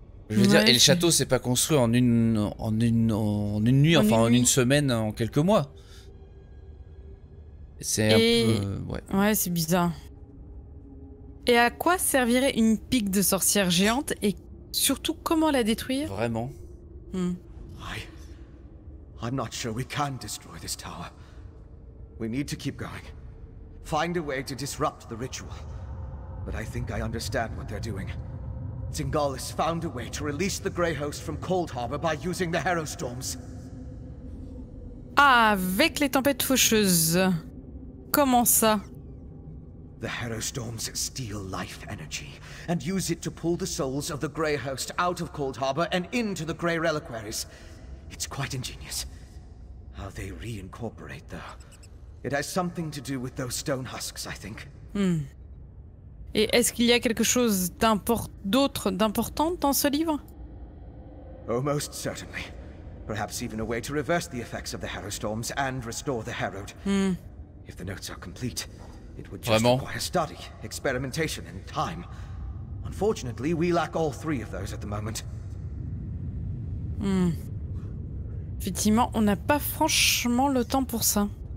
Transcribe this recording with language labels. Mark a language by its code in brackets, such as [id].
[fr] Je veux dire, et le château s'est pas construit en une semaine, en quelques mois. C'est bizarre. Et à quoi servirait une pique de sorcière géante et surtout comment la détruire? Vraiment. [en] I'm not sure we can destroy this tower. We need to keep going. Find a way to disrupt the ritual. But I think I understand what they're doing. Syngolas found a way to release the Grey Host from Cold Harbor by using the Harrow Storms. [fr] Ah, avec les tempêtes faucheuses. Comment ça? [en] The Harrow Storms steal life energy and use it to pull the souls of the Grey Host out of Cold Harbor and into the Grey Reliquaries. It's quite ingenious. How they reincorporate, though. It has something to do with those stone husks, I think. Hmm. [fr] Et est-ce qu'il y a quelque chose d'autre d'important dans ce livre? [en] Almost certainly. Perhaps even a way to reverse the effects of the Harrow storms and restore the Harrowed. If the notes are complete, it would just require study, experimentation and time. Unfortunately, we lack all three of those at the moment. [fr] Effectivement, on n'a pas franchement le temps pour ça.